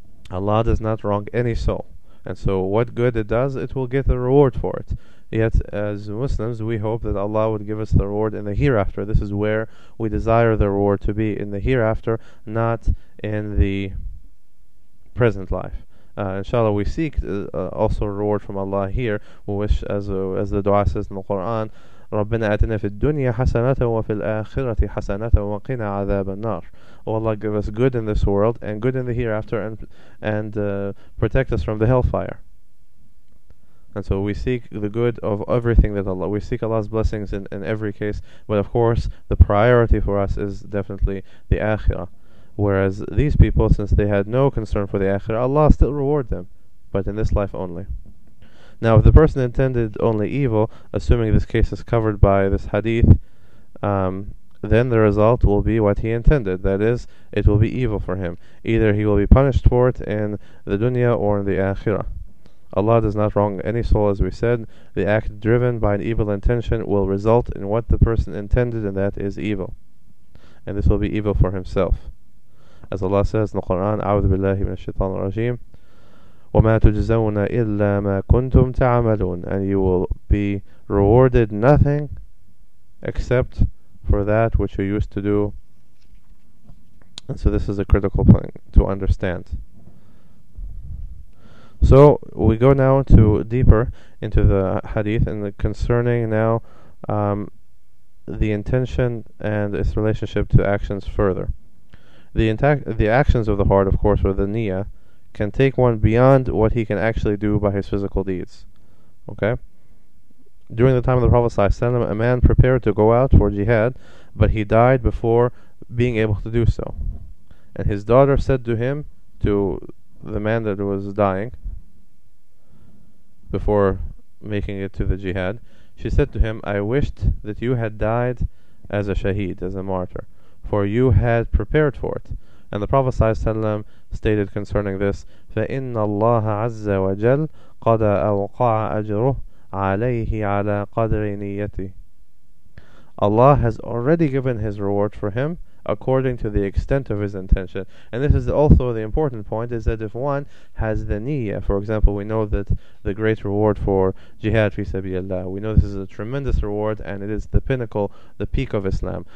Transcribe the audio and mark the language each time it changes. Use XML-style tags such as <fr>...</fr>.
<en>Allah does not wrong any soul. And so what good it does, it will get the reward for it. Yet, as Muslims, we hope that Allah would give us the reward in the hereafter. This is where we desire the reward to be, in the hereafter, not in the present life. Inshallah, we seek also reward from Allah here. We wish, as the dua says in the Quran,</en> <ar>رَبَّنَا أَتِنَا فِي الدُّنْيَا حَسَنَةً وَفِي الْآخِرَةِ حَسَنَةً وَقِنَا عَذَابَ النَّارِ.</ar> <en>O Allah, give us good in this world and good in the hereafter, and protect us from the hellfire. And so we seek the good of everything that Allah, we seek Allah's blessings in every case, but of course the priority for us is definitely the Akhirah. Whereas these people, since they had no concern for the Akhirah, Allah still reward them, but in this life only. Now if the person intended only evil, assuming this case is covered by this hadith, then the result will be what he intended, that is, it will be evil for him. Either he will be punished for it in the dunya or in the Akhirah. Allah does not wrong any soul, as we said. The act driven by an evil intention will result in what the person intended, and that is evil. And this will be evil for himself. As Allah says in the Quran,</en> <ar>أَعُوذُ بِاللَّهِ مِنَ الشَّيْطَانِ الرَّجِيمِ وَمَا تُجْزَوْنَ إِلَّا مَا كُنْتُمْ تَعَمَلُونَ.</ar> <en>And you will be rewarded nothing except for that which you used to do. And so this is a critical point to understand. So we go now to deeper into the hadith, and the concerning now the intention and its relationship to actions further. The actions of the heart, of course, or the niyyah, can take one beyond what he can actually do by his physical deeds. Okay? During the time of the Prophet ﷺ, a man prepared to go out for jihad, but he died before being able to do so. And his daughter said to him, to the man that was dying, before making it to the jihad, she said to him, I wished that you had died as a shaheed, as a martyr, for you had prepared for it. And the Prophet ﷺ stated concerning this,</en> <ar>فَإِنَّ اللَّهَ عَزَّ وَجَلَّ قَدْ أَوْقَعَ أَجْرُهُ عَلَيْهِ عَلَى قَدْرِ نِيَّتِهِ.</ar> <en>Allah has already given his reward for him according to the extent of his intention. And this is also the important point, is that if one has the niyyah, for example, we know that the great reward for jihad fi sabilillah, we know this is a tremendous reward, and it is the pinnacle, the peak of Islam.</en>